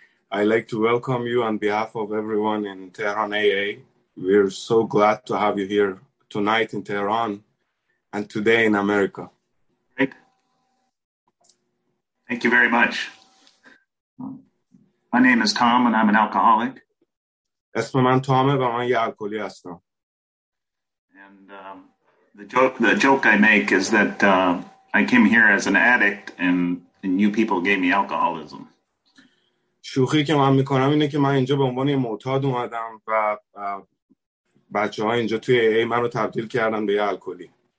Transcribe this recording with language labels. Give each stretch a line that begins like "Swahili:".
English: I'd like to welcome you on behalf of everyone in Tehran AA. We're so glad to have you here tonight in Tehran and today in America. Thank you very much. My name is Tom and I'm an alcoholic.
Persian: اسم من تامه و من یه الکلی هستم.
English: And the joke I make is that I came here as an addict and you people gave me alcoholism.
Persian: شوخی که من میکنم اینه که من اینجا به عنوان یه معتاد اومدم و بچه‌ها اینجا توی AA منو تبدیل کردن به یه الکلی.